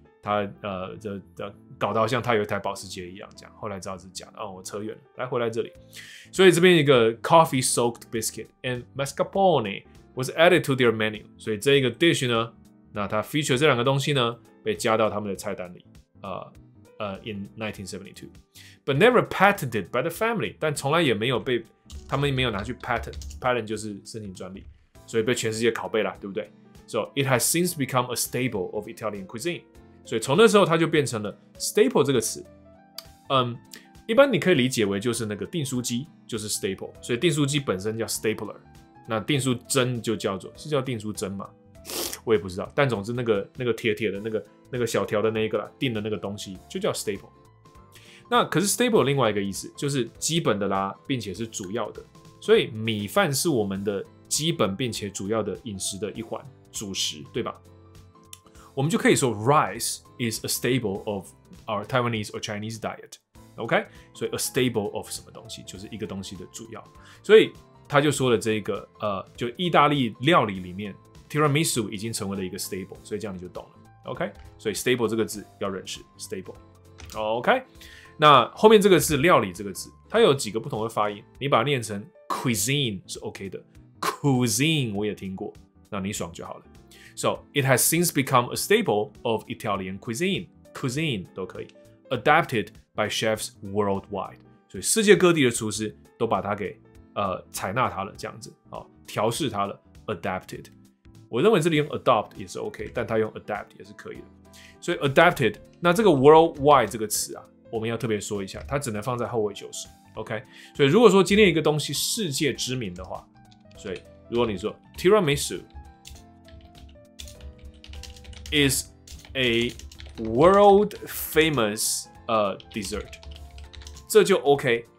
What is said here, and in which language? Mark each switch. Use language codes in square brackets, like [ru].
[zh] 他搞到像他有一台保时捷一样这样，后来知道是假的哦，我扯远了，来回来这里，所以这边一个 [en] coffee soaked biscuit and mascarpone was added to their menu， [zh] 所以这一个 dish 呢，那它 feature 这两个东西呢，被加到他们的菜单里， [en] in 1972. But never patented by the family. [zh] 但从来也没有被他们没有拿去 patent. Patent 就是申请专利，所以被全世界拷贝了，对不对？ [en] So it has since become a staple of Italian cuisine. [zh] 所以从那时候它就变成了 staple 这个词。一般你可以理解为就是那个订书机，就是 staple。所以订书机本身叫 stapler。那订书针就叫做是叫订书针吗？我也不知道，但总之那个铁铁的那个小条的那一个啦，订的那个东西就叫 staple。那可是 staple 另外一个意思就是基本的啦，并且是主要的。所以米饭是我们的基本并且主要的饮食的一环，主食，对吧？我们就可以说 [en] rice is a staple of our Taiwanese or Chinese diet。 [zh] OK， 所以 a staple of 什么东西就是一个东西的主要。所以他就说了这个就意大利料理里面 ，tiramisu 已经成为了一个 staple， 所以这样你就懂了。 OK， 所以 staple 这个字要认识 staple。OK， 那后面这个是料理这个字，它有几个不同的发音，你把它念成 cuisine 是 OK 的 ，cuisine 我也听过，那你爽就好了。 [en] So it has since become a staple of Italian cuisine，cuisine [zh] 都可以 [en] adapted by chefs worldwide， [zh] 所以世界各地的厨师都把它给。采纳它了，这样子，好，调试它了 ，adapted。我认为这里用 adopt 也是 OK， 但它用 adapt 也是可以的。所以 adapted， 那这个 worldwide 这个词啊，我们要特别说一下，它只能放在后位修饰。 OK， 所以如果说今天一个东西世界知名的话，所以如果你说 [en] tiramisu is a world famous dessert， [zh] 这就 OK。